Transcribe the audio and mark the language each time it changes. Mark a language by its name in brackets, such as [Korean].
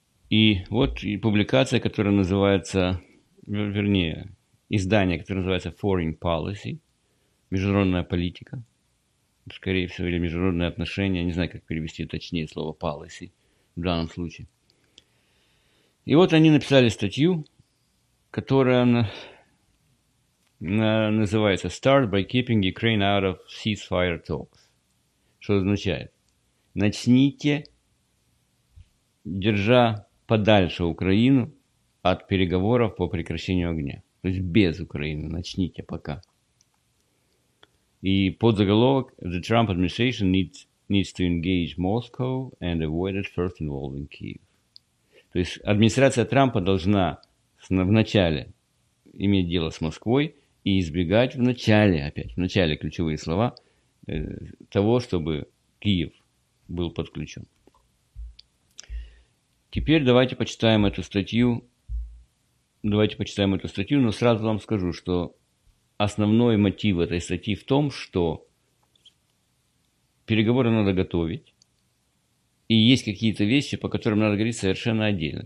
[Russian] И вот и публикация, которая называется, вернее, издание, которое называется Foreign Policy, международная политика, скорее всего, или международные отношения, не знаю, как перевести точнее слово policy в данном случае. И вот они написали статью, которая называется [English] «Start by keeping Ukraine out of ceasefire talks». [Russian] Что означает? Начните, держа подальше Украину от переговоров по прекращению огня. То есть без Украины начните пока. И подзаголовок [English] «The Trump administration needs to engage Moscow and avoid it first involving Kyiv». [Russian] То есть администрация Трампа должна вначале иметь дело с Москвой и избегать вначале, опять, вначале ключевые слова, того, чтобы Киев был подключен. Теперь давайте почитаем эту статью. Давайте почитаем эту статью, но сразу вам скажу, что основной мотив этой статьи в том, что переговоры надо готовить, и есть какие-то вещи, по которым надо говорить совершенно отдельно.